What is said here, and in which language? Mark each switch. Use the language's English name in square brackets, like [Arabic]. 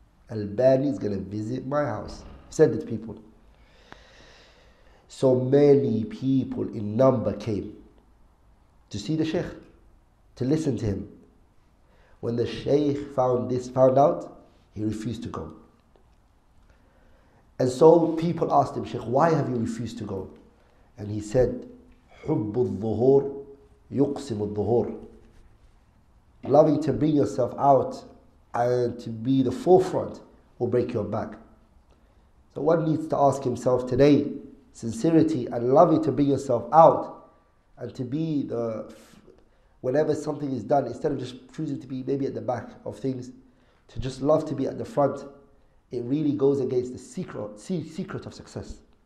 [English] Al-Bani is going to visit my house. He said it to people. So many people in number came to see the Shaykh, to listen to him. When the Shaykh found out, he refused to go. And so people asked him, Shaykh, why have you refused to go? And he said, [Arabic] حُبُّ الظُّهُورِ يُقْسِمُ الظُّهُورِ. [English] Loving to bring yourself out and to be the forefront will break your back. So one needs to ask himself today, sincerity and loving to bring yourself out and to be the, whenever something is done, instead of just choosing to be maybe at the back of things, to just love to be at the front, it really goes against the secret of success.